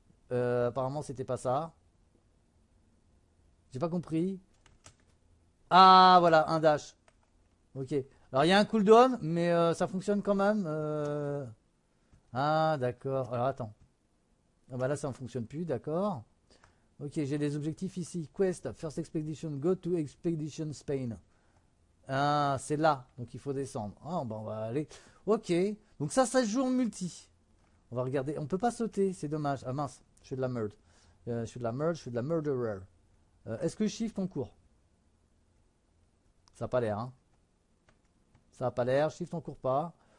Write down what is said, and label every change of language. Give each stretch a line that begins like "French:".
French: Apparemment, c'était pas ça. J'ai pas compris. Ah, voilà, un dash. Ok. Alors, il y a un cooldown, mais ça fonctionne quand même. Ah, d'accord. Alors, attends. Ah, bah là, ça ne fonctionne plus, d'accord. Ok, j'ai des objectifs ici.
English: Quest, first expedition, go to expedition Spain.
French: Ah, c'est là, donc il faut descendre. Ah, bon, bah, on va aller. Ok. Donc ça se joue en multi. On va regarder. On peut pas sauter, c'est dommage. Ah mince, je fais de la merde. Je fais de la merde, je fais de la murderer. Est-ce que Shift on court? Ça a pas l'air, hein. Ça a pas l'air. Shift on court pas.